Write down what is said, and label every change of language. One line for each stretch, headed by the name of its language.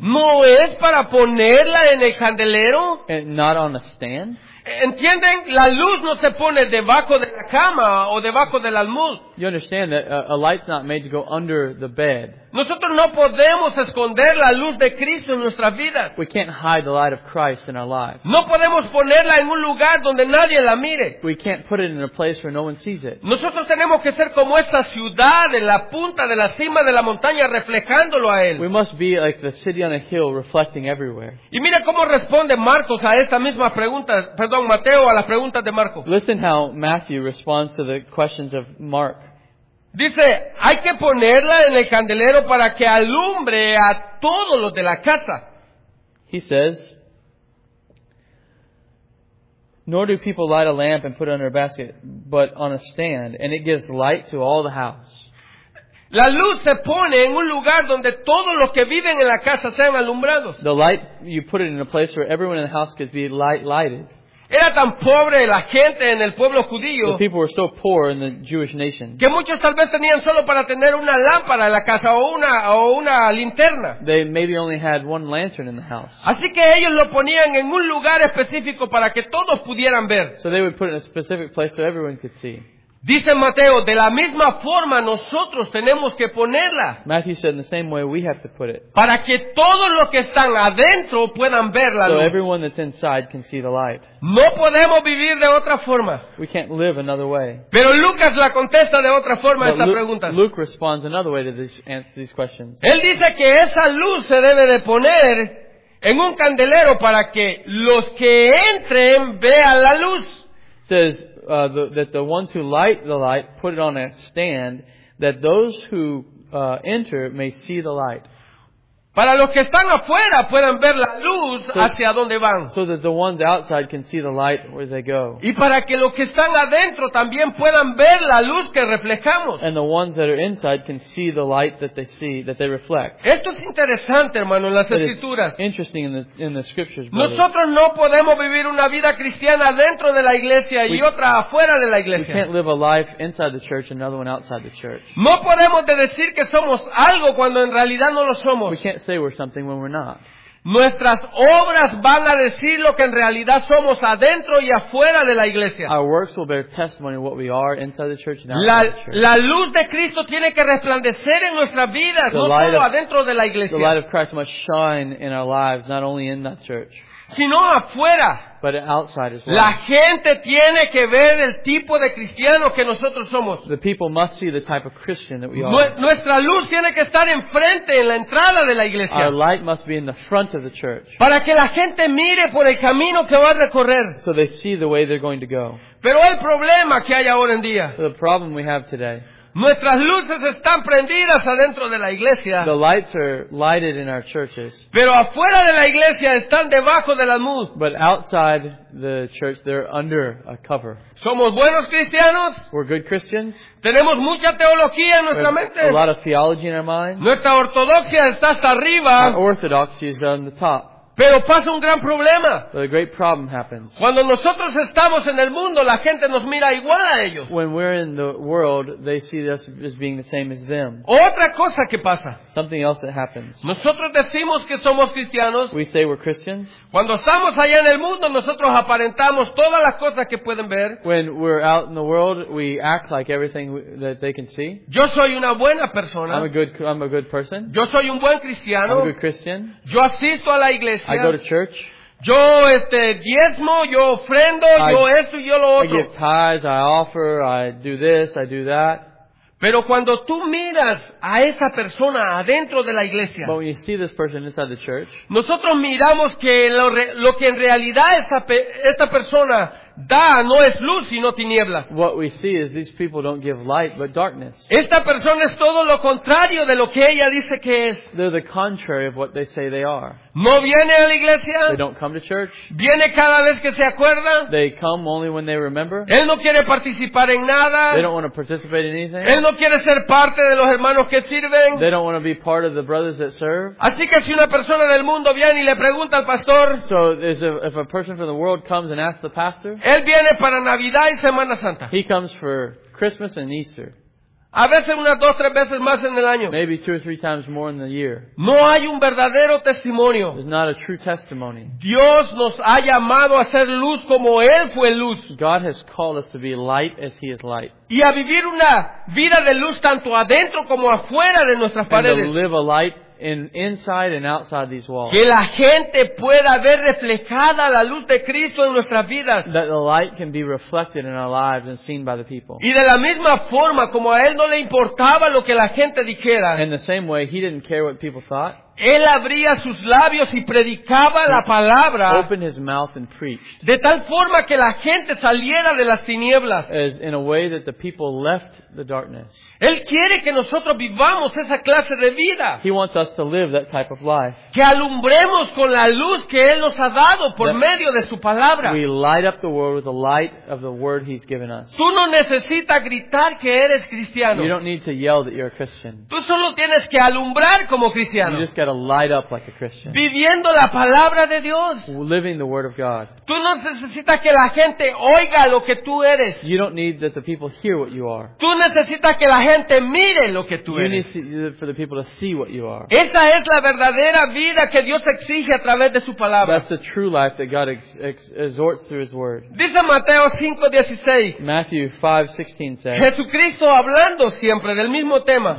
Spanish: ¿No es para ponerla en el candelero?
English: And not on a stand?
Spanish: ¿Entienden? La luz no se pone debajo de la cama o debajo del almud.
English: You understand that a light's not made to go under the bed.
Spanish: Nosotros no podemos esconder la luz de Cristo en nuestras vidas.
English: We can't hide the light of Christ in our lives.
Spanish: No podemos ponerla en un lugar donde nadie la mire.
English: We can't put it in a place where no one sees it.
Spanish: Nosotros tenemos que ser como esta ciudad en la punta de la cima de la montaña reflejándolo a él.
English: We must be like the city on a hill reflecting everywhere.
Spanish: Y mira cómo responde Marcos a esta misma pregunta, perdón, Mateo a las preguntas de Marcos.
English: Listen how Matthew responds to the questions of Mark.
Spanish: Dice, hay que ponerla en el candelero para que alumbre a todos los de la casa.
English: He says, nor do people light a lamp and put it under a basket, but on a stand, and it gives light to all the house.
Spanish: La luz se pone en un lugar donde todos los que viven en la casa sean alumbrados.
English: The light, you put it in a place where everyone in the house could be lighted.
Spanish: Era tan pobre la gente en el pueblo judío.
English: The people were so poor in the Jewish nation.
Spanish: Que muchos tal vez tenían solo para tener una lámpara en la casa o una linterna.
English: They maybe only had one lantern in the house.
Spanish: Así que ellos lo ponían en un lugar específico para que todos pudieran ver.
English: So they would put it in a specific place so everyone could see.
Spanish: Dice Mateo, de la misma forma nosotros tenemos que ponerla.
English: Matthew said, in the same way we have to put it.
Spanish: Para que todos los que están adentro puedan ver la luz.
English: So everyone that's inside can see the light.
Spanish: No podemos vivir de otra forma.
English: We can't live another way.
Spanish: Pero Lucas la contesta de otra forma a esta pregunta.
English: Luke responds another way to these questions.
Spanish: Él dice que esa luz se debe de poner en un candelero para que los que entren vean la luz.
English: Says, that the ones who light the light put it on a stand that those who enter may see the light.
Spanish: Para los que están afuera puedan ver la luz hacia donde van.
English: So that the ones outside can see the light where they go.
Spanish: Y para que los que están adentro también puedan ver la luz que reflejamos.
English: And the ones that are inside can see the light that they see, that they reflect.
Spanish: Esto es interesante, hermano, en las Escrituras.
English: Interesting in the Scriptures, brother.
Spanish: Nosotros no podemos vivir una vida cristiana dentro de la iglesia y otra afuera de la iglesia.
English: We can't live a life inside the church and another one outside the church.
Spanish: No podemos decir que somos algo cuando en realidad no lo somos.
English: Can't say we're something when we're not.
Spanish: Nuestras obras van a decir lo que en realidad somos adentro y afuera de la iglesia.
English: Our works will bear testimony of what we are inside the church and outside the church.
Spanish: La luz de Cristo tiene que resplandecer en nuestras vidas, no solo adentro de la iglesia.
English: The light of Christ must shine in our lives, not only in that church.
Spanish: Sino afuera.
English: But outside as well.
Spanish: La gente tiene que ver el tipo de cristiano que nosotros somos.
English: The people must see the type of Christian that we are.
Spanish: Nuestra luz tiene que estar enfrente en la entrada de la iglesia.
English: Our light must be in the front of the church.
Spanish: Para que la gente mire por el camino que va a recorrer.
English: So they see the way they're going to go.
Spanish: Pero el problema que hay ahora en día.
English: The problem we have today.
Spanish: Nuestras luces están prendidas adentro de la iglesia.
English: The lights are lighted in our churches.
Spanish: Pero afuera de la iglesia están debajo del almud.
English: But outside the church they're under a cover.
Spanish: ¿Somos buenos cristianos?
English: We're good Christians.
Spanish: ¿Tenemos mucha teología en nuestra mente?
English: A lot of theology in our mind.
Spanish: Nuestra ortodoxia está hasta arriba.
English: Our orthodoxy is on the top.
Spanish: Pero pasa un gran problema.
English: But a great problem happens.
Spanish: Cuando nosotros estamos en el mundo, la gente nos mira igual a ellos.
English: When we're in the world, they see us as being the same as them.
Spanish: Otra cosa que pasa.
English: Something else that happens.
Spanish: Nosotros decimos que somos cristianos.
English: We say we're Christians.
Spanish: Cuando estamos allá en el mundo, nosotros aparentamos todas las cosas que pueden ver.
English: When we're out in the world, we act like everything that they can see.
Spanish: Yo soy una buena persona.
English: I'm a good person.
Spanish: Yo soy un buen cristiano.
English: I'm a good Christian.
Spanish: Yo asisto a la iglesia.
English: I go to church.
Spanish: Yo diezmo, yo ofrendo, yo esto y yo lo otro.
English: I give tithes, I offer, I do this, I do that.
Spanish: Pero cuando tú miras a esa persona adentro de la iglesia,
English: but when you see this person inside the church,
Spanish: nosotros miramos que lo que en realidad esta persona da no es luz sino tinieblas.
English: What we see is these people don't give light but darkness.
Spanish: Esta persona es todo lo contrario de lo que ella dice que es.
English: They're the contrary of what they say they are.
Spanish: No viene a la iglesia.
English: They don't come to church.
Spanish: Viene cada vez que se acuerda.
English: They come only when they remember.
Spanish: Él no quiere participar en nada.
English: They don't want to participate in anything.
Spanish: Él no quiere ser parte de los hermanos que sirven.
English: They don't want to be part of the brothers that serve.
Spanish: Así que si una persona del mundo viene y le pregunta al pastor,
English: so if a person from the world comes and asks the pastor,
Spanish: él viene para Navidad y Semana Santa.
English: He comes for Christmas and Easter.
Spanish: A veces unas dos, tres veces más en el año.
English: Maybe two or three times more in the year.
Spanish: No hay un verdadero testimonio.
English: It's not a true testimony.
Spanish: Dios nos ha llamado a ser luz como Él fue luz.
English: God has called us to be light as He is light.
Spanish: Y a vivir una vida de luz tanto adentro como afuera de nuestras paredes.
English: And to live a light inside and outside these walls.
Spanish: Que la gente pueda ver reflejada la luz de Cristo en nuestras vidas.
English: That the light can be reflected in our lives and seen by the people.
Spanish: Y de la misma forma como a Él no le importaba lo que la gente dijera.
English: In the same way, He didn't care what people thought.
Spanish: Él abría sus labios y predicaba la palabra.
English: Opened his mouth and preached.
Spanish: De tal forma que la gente saliera de las tinieblas.
English: As in a way that the people left the darkness.
Spanish: Él quiere que nosotros vivamos esa clase de vida.
English: He wants us to live that type of life.
Spanish: Que alumbremos con la luz que Él nos ha dado por medio de su palabra.
English: We light up the world with the light of the word He's given us.
Spanish: Tú no necesitas gritar que eres cristiano.
English: You don't need to yell that you're a Christian.
Spanish: Tú solo tienes que alumbrar como cristiano.
English: You just got to light up like a Christian.
Spanish: Viviendo la palabra de Dios.
English: Living the word of God.
Spanish: Tú no necesitas que la gente oiga lo que tú eres.
English: You don't need that the people hear what you are.
Spanish: Tú necesitas que la gente mire lo que tú eres.
English: You need for the people to see what you are.
Spanish: Esa es la verdadera vida que Dios exige a través de su palabra.
English: That's the true life that God exhorts through His word.
Spanish: Dice Mateo 5:16.
English: Matthew 5:16 says.
Spanish: Jesucristo hablando siempre del mismo tema.